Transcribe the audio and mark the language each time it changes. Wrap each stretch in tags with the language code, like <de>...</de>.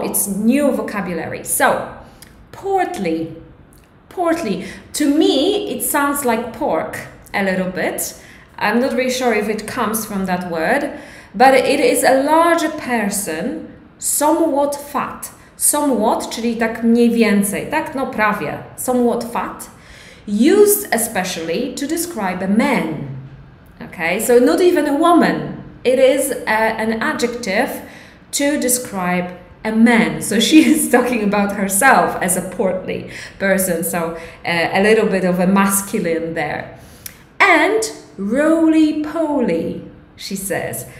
<en>It's new vocabulary. So, portly. Portly. To me, it sounds like pork a little bit. I'm not really sure if it comes from that word, but it is a larger person, somewhat fat.</en> <pl>Somewhat, czyli tak mniej więcej, tak? No prawie.</pl> <en>Somewhat fat. Used especially to describe a man. Okay, so not even a woman. It is an adjective to describe a man. So she is talking about herself as a portly person. So a little bit of a masculine there. And roly-poly, she says.</en>